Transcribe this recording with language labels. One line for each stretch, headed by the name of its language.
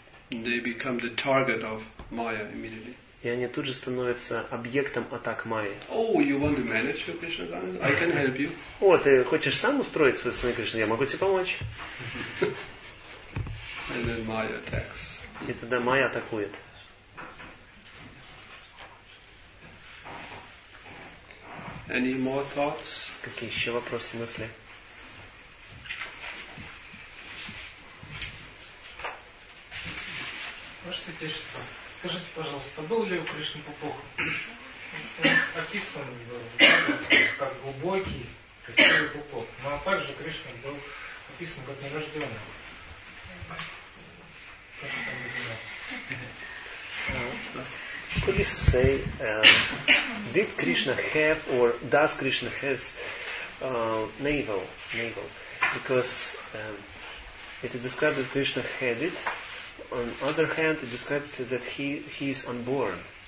English: They become the target of Maya immediately.
Russian: И они тут же становятся объектом атак Майи.
English: Oh, you want to manage your Krishna consciousness? I can help you.
Russian: О, ты хочешь сам устроить свой сознание Кришны? Я могу тебе помочь.
English: And then Maya attacks.
Russian: И тогда Майя атакует.
English: Any more thoughts?
Russian: Какие еще вопросы, мысли? Ваше святейшество, скажите, пожалуйста, был ли у Кришны попух? описан как глубокий красивый пупок. Но также Кришна был описан как нерожденный.
English: Could you say, did Krishna have or does Krishna has navel? Because it is described that Krishna had it. On the other hand, it describes that he is unborn.